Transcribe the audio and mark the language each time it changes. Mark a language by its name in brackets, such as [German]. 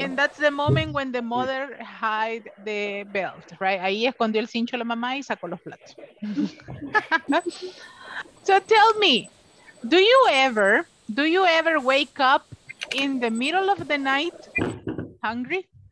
[English] And that's the moment when the mother hide the belt, right? [Spanish] Ahí escondió el cincho la mamá y sacó los platos. [English] So tell me, do you ever wake up in the middle of the night hungry?